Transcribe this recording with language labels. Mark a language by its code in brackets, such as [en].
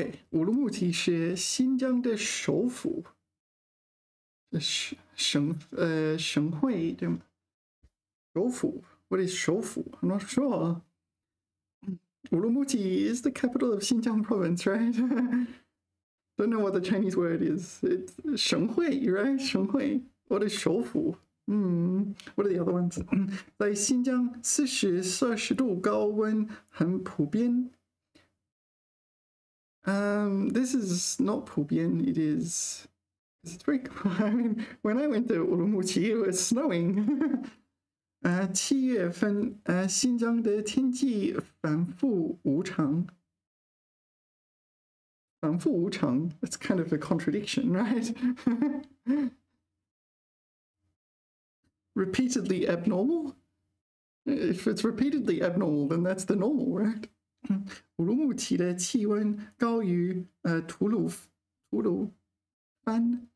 [zh] 乌鲁木齐是新疆的首府，省会对吗？ [en] 首府，what is 首府？I'm not sure. 乌鲁木齐 is the capital of 新疆 province, right? Don't know what the Chinese word is. It's 省会，right? 省会，what is 首府？What are the other ones? [zh] 在新疆，40摄氏度高温很普遍。 [en] This is not 普遍, it is. It's very cool. I mean, when I went to Urumqi, it was snowing. [zh] 七月份，新疆的天气反复无常。 [en] 反复无常，it's kind of a contradiction, right? Repeatedly abnormal? If it's repeatedly abnormal, then that's the normal, right? [zh] 乌鲁木齐的气温高于吐鲁番。